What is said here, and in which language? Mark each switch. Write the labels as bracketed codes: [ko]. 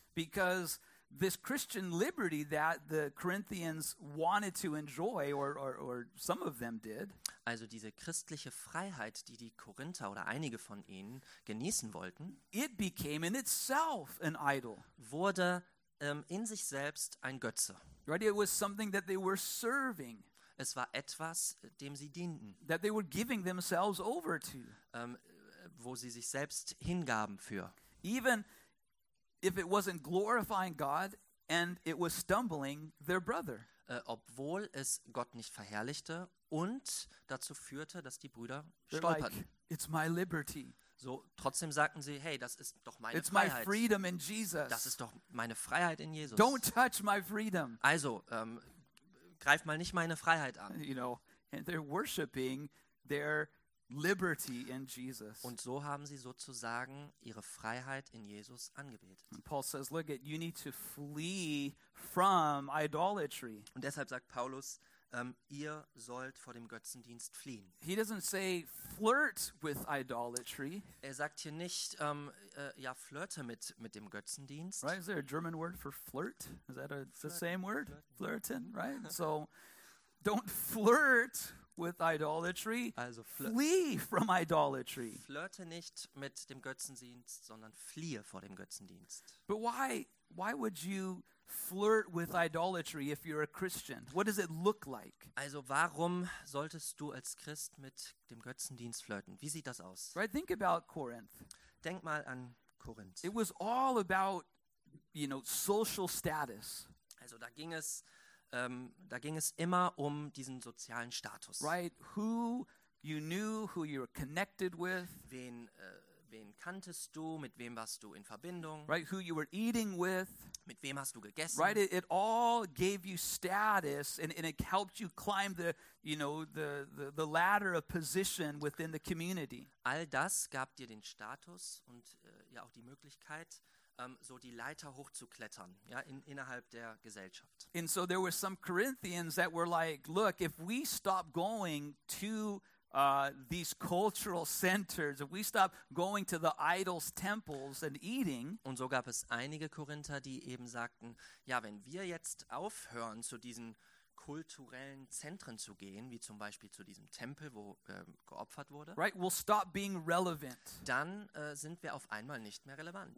[en] Because this Christian liberty that the Corinthians wanted to enjoy, or some of them did. [de] Also diese christliche Freiheit, die Korinther oder einige von ihnen genießen wollten. [en] It became in itself an idol. [de] Wurde in sich selbst ein Götze. [en] Right, it was something that they were serving. [de] Es war etwas, dem sie dienten. [en] That they were giving themselves over to. [de] Wo sie sich selbst hingaben für. [en] Even if it wasn't glorifying God and it was stumbling their brother. [de] Obwohl es Gott nicht verherrlichte und dazu führte, dass die Brüder stolperten. [en] Like, it's my liberty. [de] So trotzdem sagten sie, hey, das ist doch meine [en] it's [de] Freiheit. [en] My freedom in Jesus. [de] Das ist doch meine Freiheit in Jesus. [en] Don't touch my freedom. [de] Also, greif mal nicht meine Freiheit an. [en] You know, and they're worshiping their liberty in Jesus. [de] Und so haben sie sozusagen ihre Freiheit in Jesus angebetet. [en] And Paul says, look, you need to flee from idolatry. [de] Und deshalb sagt Paulus, ihr sollt vor dem Götzendienst fliehen. [en] He doesn't say flirt with idolatry. [de] Er sagt hier nicht, flirte mit dem Götzendienst. [en] Right, is there a German word for flirt? Is that the same word? Flirten, right? So, don't flirt with idolatry. [de] Also [en] flee from idolatry. [de] Flirte nicht mit dem Götzendienst, sondern fliehe vor dem Götzendienst. [en] But why would you flirt with idolatry if you're a Christian? What does it look like? [de] Also warum solltest du als Christ mit dem Götzendienst flirten? Wie sieht das aus? [en] Right, think about Corinth. [de] Denk mal an Korinth. [en] It was all about, you know, social status. [de] Also da ging es immer um diesen sozialen Status. [en] Right, who you knew, who you were connected with. [de] Wen kanntest du, mit wem warst du in Verbindung? [en] Right, who you were eating with. [de] Mit wem hast du gegessen? [en] Right, it all gave you status and it helped you climb the ladder of position within the community. [de] All das gab dir den Status und ja auch die Möglichkeit, so die Leiter hochzuklettern, ja, innerhalb der Gesellschaft. [en] And so there were some Corinthians that were like, look, if we stop going to these cultural centers, if we stop going to the idols' temples and eating. [de] Und so gab es einige Korinther, die eben sagten, ja, wenn wir jetzt aufhören, zu diesen kulturellen Zentren zu gehen, wie zum Beispiel zu diesem Tempel, wo geopfert wurde. [en] Right, we'll stop being relevant. [de] Dann sind wir auf einmal nicht mehr relevant.